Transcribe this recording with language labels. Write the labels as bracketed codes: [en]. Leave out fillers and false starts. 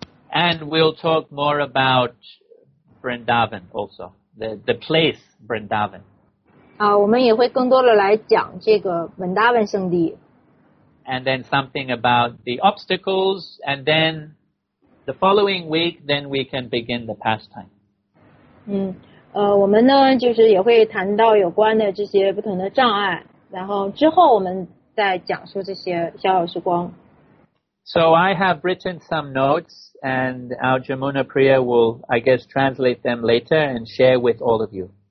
[en] And we'll talk more about Vrindavan also, the place Vrindavan. [zh] 我们也会更多的来讲这个 Vrindavan 圣地。 [en] And then something about the obstacles, and then the following week, then we can begin the pastime. [zh] 我们呢就是也会谈到有关的这些不同的障碍。然后之后我们再讲述这些逍遥时光。 [en] So I have written some notes, and our Jamuna Priya will, I guess, translate them later and share with all of you.